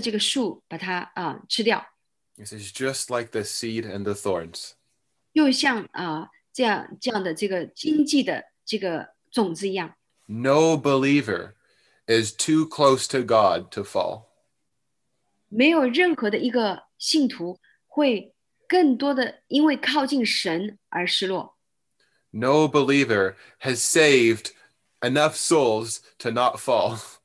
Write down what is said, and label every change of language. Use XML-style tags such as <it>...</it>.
<zh>哦,那个藤条其实要,就是试图把整个的这个树把它吃掉。</zh> <en>This is just like the seed and the thorns.</en> <zh>又像这样的这个荆棘的这个种子一样。</zh> <en>No believer is too close to God to fall.</en> <zh>没有任何的一个信徒会更多的因为靠近神而失落。</zh> <en>No believer has saved enough souls to not fall.</en>